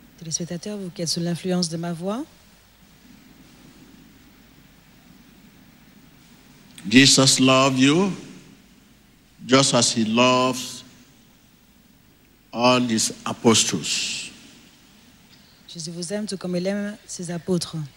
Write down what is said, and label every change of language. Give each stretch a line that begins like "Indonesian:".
French: Spectateurs, vous qui êtes sous l'influence de ma voix.
English: Jesus loves you just as he loves all his apostles.
French: Jésus vous aime tout comme il aime ses apôtres.